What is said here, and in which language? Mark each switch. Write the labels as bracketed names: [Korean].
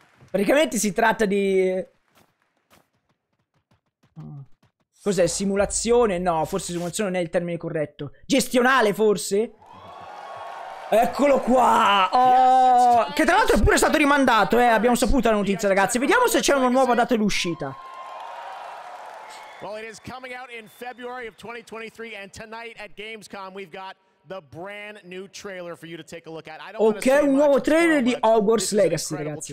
[Italian] Praticamente si tratta di... Cos'è? Simulazione? No, forse simulazione non è il termine corretto. Gestionale, forse? Eccolo qua! Oh, che tra l'altro è pure stato rimandato, eh. Abbiamo saputo la notizia, ragazzi. Vediamo se c'è una nuova data d'uscita. [English] Well, it is coming out in February of 2023, and tonight at Gamescom we've got the brand new trailer for you to take a look at. I don't [Italian] ok, un nuovo trailer di Hogwarts Legacy, ragazzi.